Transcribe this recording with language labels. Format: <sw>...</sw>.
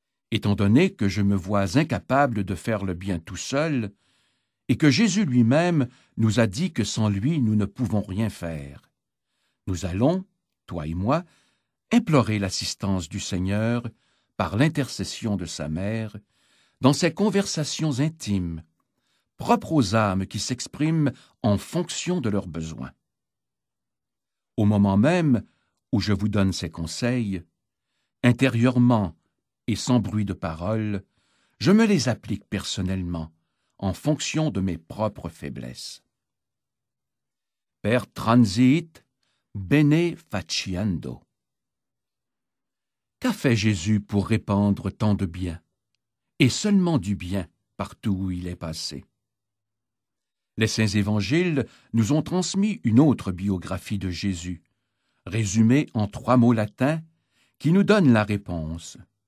<fr>Étant donné que je me vois incapable de faire le bien tout seul, et que Jésus lui-même nous a dit que sans lui nous ne pouvons rien faire, nous allons, toi et moi, implorer l'assistance du Seigneur par l'intercession de sa mère dans ses conversations intimes, propres aux âmes qui s'expriment en fonction de leurs besoins. Au moment même où je vous donne ces conseils, intérieurement et sans bruit de parole, je me les applique personnellement, en fonction de mes propres faiblesses.</fr> <la>Per transit bene faciendo.</la> <fr>Qu'a fait Jésus pour répandre tant de bien, et seulement du bien, partout où il est passé? Les saints évangiles nous ont transmis une autre biographie de Jésus, résumée en trois mots latins, qui nous donne la réponse.</fr>